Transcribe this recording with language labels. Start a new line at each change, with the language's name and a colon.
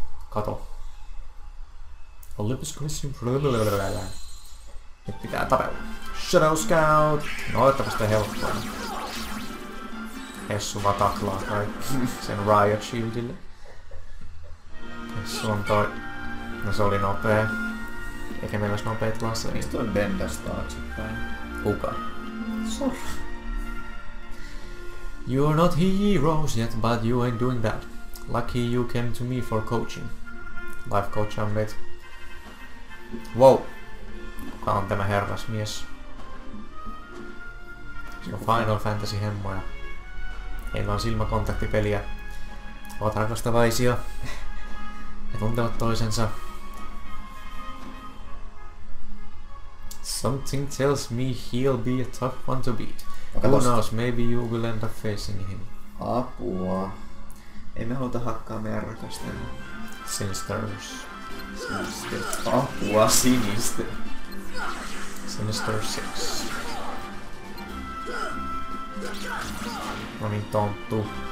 Finnish: Kato. Olympus Christian blablabla. Nyt pitää tapella. Shadow Scout! No, että vasta helppoa. Hessu vaan taklaa kaikki sen Riot Shieldille. Hessu on toi... No se oli nopee. Eikä meillä ois nopeet lasse. Mistä toi bendäs taaksepäin? Kuka?
English: Sorry. You're not heroes yet, but you ain't doing that. Lucky you came to me for coaching. Life coach on bit. Wow!
Finnish: Kuka on tämä herrasmies? Se on Final Fantasy hemmoja. Heillä on silmäkontaktipeliä. Ovat rakastavaisia. He tuntevat toisensa.
English: Something tells me he'll be a tough one to beat. Who knows, maybe you will end up facing him.
Finnish: Apua. Ei me haluta hakkaa meidän rakastajan. Sinisters. Sinister. Apua, sinister. Sinister 6. No niin, tonttu.